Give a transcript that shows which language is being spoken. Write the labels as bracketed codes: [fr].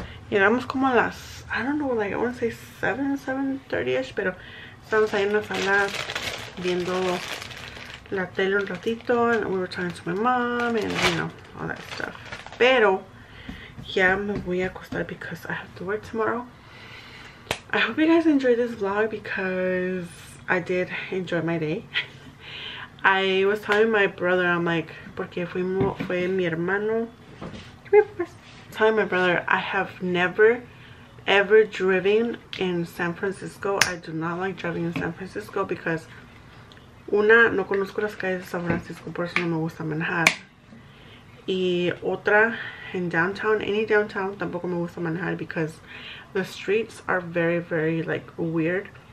[es] Llegamos como a las, [en] I don't know, like I want to say [es] 7:30ish, pero estamos ahí en la sala viendo la tele un ratito. [en] And we were talking to my mom and you know, all that stuff. [es] Pero ya me voy a acostar [en] because I have to work tomorrow. I hope you guys enjoyed this vlog because I did enjoy my day. I was telling my brother, I'm like, [es] porque fue mi hermano. [en] Telling my brother, I have never ever driven in San Francisco. I do not like driving in San Francisco because [es] una, no conozco las calles de San Francisco, por eso no me gusta manejar. Y otra, [en] in downtown, any downtown, [es] tampoco me gusta manejar [en] because the streets are very, very like weird.